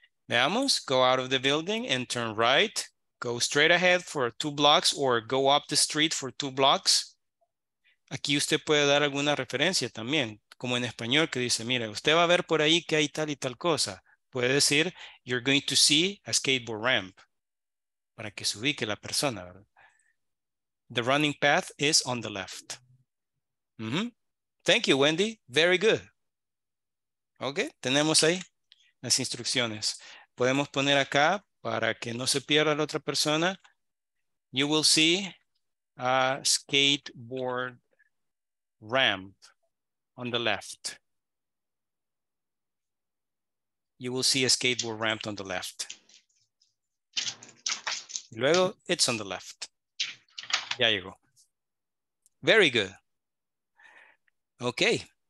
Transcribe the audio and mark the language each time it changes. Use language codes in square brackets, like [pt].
[es] Veamos, [en] go out of the building and turn right. Go straight ahead for two blocks or go up the street for two blocks. [es] Aquí usted puede dar alguna referencia también, como en español que dice, mire, usted va a ver por ahí que hay tal y tal cosa. Puede decir, [en] you're going to see a skateboard ramp, [es] para que se ubique la persona, ¿verdad? [en] The running path is on the left. Mm-hmm. Thank you, Wendy. Very good. [es] Okay, tenemos ahí las instrucciones. Podemos poner acá para que no se pierda la otra persona. [en] You will see a skateboard ramp on the left. You will see a skateboard ramp on the left. [es] Luego, [en] it's on the left. [es] Ya llegó. [en] Very good. Okay.